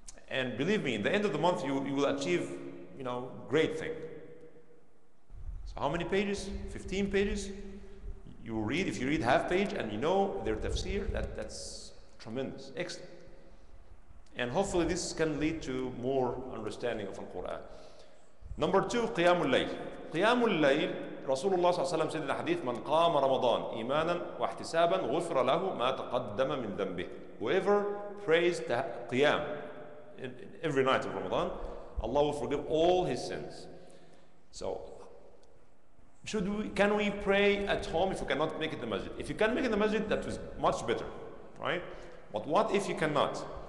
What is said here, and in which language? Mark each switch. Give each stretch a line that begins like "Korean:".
English: And believe me, at the end of the month, you will achieve, great thing. So how many pages? 15 pages? You read, if you read half page and you know their tafsir, that's tremendous, excellent. And hopefully this can lead to more understanding of the Quran. Number two, Qiyamul Layl. Qiyamul Layl, Rasulullah SAW said in the hadith,
Arabic: من قام رمضان إيمانا واحتسابا غفر له ما تقدم من ذنبه.
English: Whoever prays Qiyam in every night of Ramadan, Allah will forgive all his sins. So, can we pray at home if you cannot make it in the masjid? If you can make it in the masjid, that is much better, right? But what if you cannot?